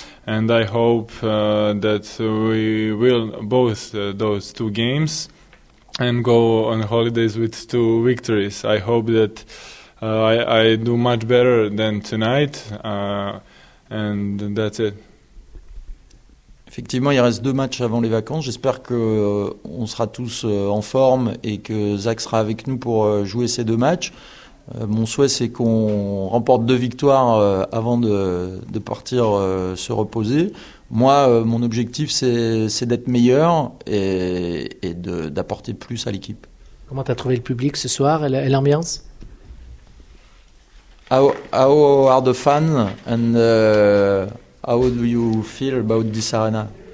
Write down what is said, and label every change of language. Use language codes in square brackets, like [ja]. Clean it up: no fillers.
[en] And I hope that we will both those two games and go on holidays with two victories. I hope that I do much better than tonight, and that's it. [fr] Effectivement, il reste deux matchs avant les vacances. J'espère qu'on sera tous en forme et que Zach sera avec nous pour jouer ces deux matchs. Mon souhait, c'est qu'on remporte deux victoires avant de partir se reposer. Moi, mon objectif, c'est d'être meilleur et d'apporter plus à l'équipe. Comment tu as trouvé le public ce soir et l'ambiance? [en] How are the fans and how do you feel about this arena?